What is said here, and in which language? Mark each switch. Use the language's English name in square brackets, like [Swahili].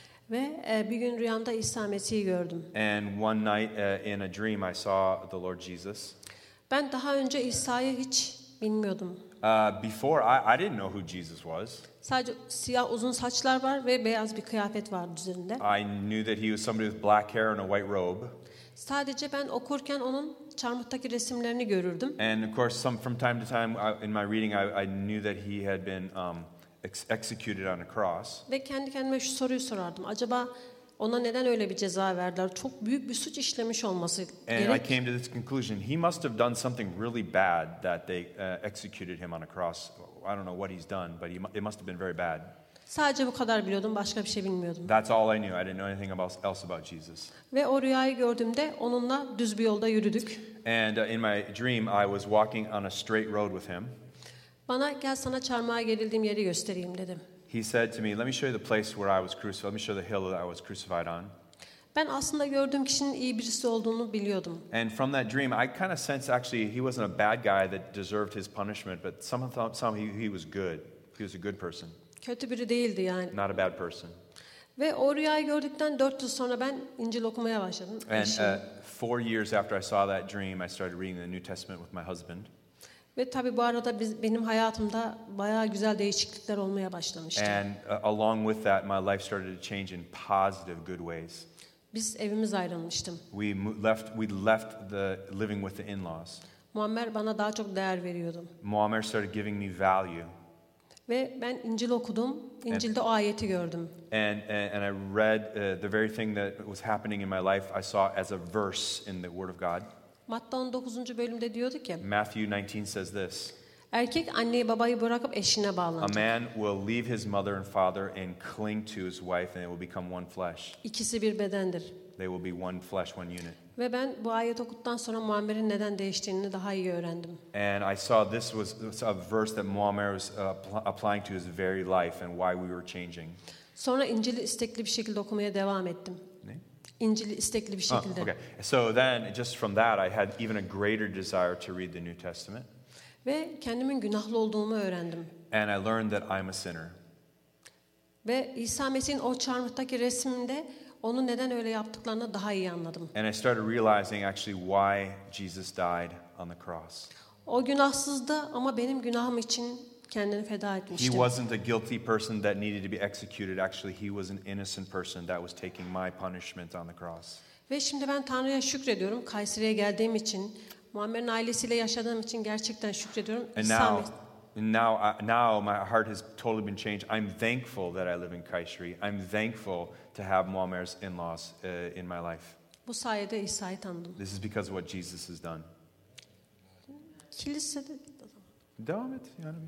[Turkish] Ve bir gün rüyamda İsa Mesih'i gördüm. [English] And one night in a dream, I saw the Lord Jesus. [Turkish] Ben daha önce İsa'yı hiç bilmiyordum. [English] Before I didn't know who Jesus was. [Turkish] Sadece siyah uzun saçlar var ve beyaz bir kıyafet vardı üzerinde. [English] I knew that he was somebody with black hair and a white robe. [Turkish] Sadece ben okurken onun çarmıhtaki resimlerini görürdüm. [English] And of course from time to time in my reading I knew that he had been executed on a cross. [Turkish] Ve kendi kendime şu soruyu sorardım. Acaba Ona neden öyle bir ceza verdiler? Çok büyük bir suç işlemiş olması gerek. [English] And I came to this conclusion. He must have done something really bad that they executed him on a cross. I don't know what he's done, but it must have been very bad. [Turkish] Sadece bu kadar biliyordum, başka bir şey bilmiyordum. [English] That's all I knew. I didn't know anything else about Jesus. [Turkish] Ve o rüyayı gördüğümde onunla düz bir yolda yürüdük. [English] And in my dream, I was walking on a straight road with him. [Turkish] Bana gel sana çarmıha gerildiğim yeri göstereyim dedim. [English] He said to me, "Let me show you the place where I was crucified. Let me show you the hill that I was crucified on." [Turkish] Ben aslında gördüğüm kişinin iyi birisi olduğunu biliyordum. [English] And from that dream, I kind of sensed actually he wasn't a bad guy that deserved his punishment, but somehow he was good. He was a good person. [Turkish] Kötü biri değildi yani. [English] Not a bad person. [Turkish] Ve o rüyayı gördükten 4 yıl sonra ben İncil okumaya başladım. [English] And 4 years after I saw that dream, I started reading the New Testament with my husband. [Turkish] Ve tabii bu arada benim hayatımda bayağı güzel değişiklikler olmaya başlamıştı. [English] And along with that, my life started to change in positive, good ways. [Turkish] Biz evimiz ayrılmıştım. [English] We left the living with the in-laws. [Turkish] Muammer bana daha çok değer veriyordu. [English] Muammer started giving me value. [Turkish] Ve ben İncil okudum. İncil'de o ayeti gördüm. [English] And I read the very thing that was happening in my life, I saw as a verse in the Word of God. [Turkish] Matta 19. bölümde diyordu ki. [English] Matthew 19 says this. [Turkish] Erkek anneyi babayı bırakıp eşine bağlanacak. [English] A man will leave his mother and father and cling to his wife and they will become one flesh. [Turkish] İkisi bir bedendir. [English] They will be one flesh, one unit. [Turkish] Ve ben bu ayet okuttuktan sonra Muammer'in neden değiştiğini daha iyi öğrendim. [English] And I saw this was a verse that Muammer was applying to his very life and why we were changing. [Turkish] Sonra İncil'i istekli bir şekilde okumaya devam ettim. İncil'i istekli bir şekilde. [English] Okay. So then, just from that, I had even a greater desire to read the New Testament. [Turkish] Ve kendimin günahlı olduğumu öğrendim. [English] And I learned that I'm a sinner. [Turkish] Ve İsa Mesih'in o çarmıhtaki resminde onu neden öyle yaptıklarını daha iyi anladım. [English] And I started realizing actually why Jesus died on the cross. [Turkish] O günahsızdı ama benim günahım için kendini feda etmişti. [English] He wasn't a guilty person that needed to be executed. Actually, he was an innocent person that was taking my punishment on the cross. [Turkish] Ve şimdi ben Tanrı'ya şükrediyorum. Kayseri'ye geldiğim için, Muammer'in ailesiyle yaşadığım için gerçekten şükrediyorum. [English] And now my heart has totally been changed. I'm thankful that I live in Kayseri. I'm thankful to have Muammer's in-laws in my life. [Turkish] Bu sayede İsa'yı tanıdım. [English] This is because of what Jesus has done. [Turkish] Kilisede devam et. Yani şey.